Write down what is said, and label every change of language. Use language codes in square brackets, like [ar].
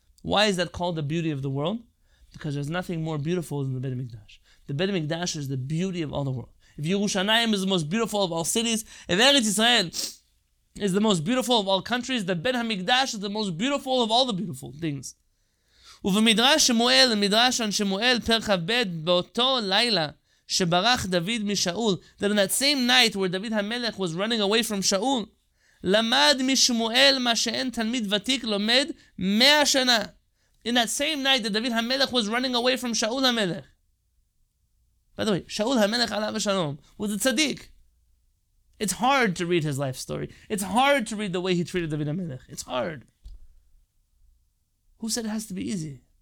[en] Why is that called the beauty of the world? Because there's nothing more beautiful than the Bet HaMikdash. The Bet HaMikdash is the beauty of all the world. If Yerushalayim is the most beautiful of all cities, if Eretz Yisrael is the most beautiful of all countries, the Bet HaMikdash is the most beautiful of all the beautiful things. [he] ובמדרש שמואל, המדרש על שמואל, פרח הבד, באותו לילה, שברח דוד משאול, [en] that on that same night where David HaMelech was running away from Shaul, [he] למד משמואל מה שאין תלמיד ותיק לומד 100 שנה. [en] In that same night that David HaMelech was running away from Shaul HaMelech. By the way, Shaul HaMelech [he] עליו השלום [en] was a tzaddik. It's hard to read his life story. It's hard to read the way he treated David HaMelech. It's hard. Who said it has to be easy?